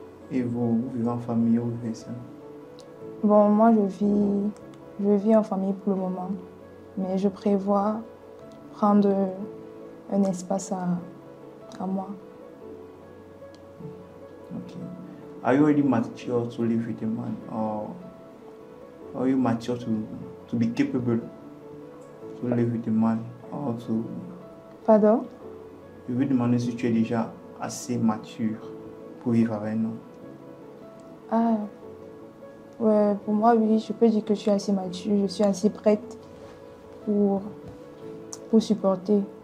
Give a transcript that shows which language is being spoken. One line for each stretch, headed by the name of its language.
French: Et vous vivez en famille ou vivez ça? Bon, moi je vis en famille pour le moment. Mais je prévois prendre un espace à moi. Ok.
English: Are you already mature to live with a man? Or are you mature to be capable to live with a man? Or to...
French: Pardon? Je veux demander si tu es déjà assez mature pour vivre avec un homme. Ah, ouais, pour moi, oui, je peux dire que je suis assez mature, je suis assez prête pour supporter.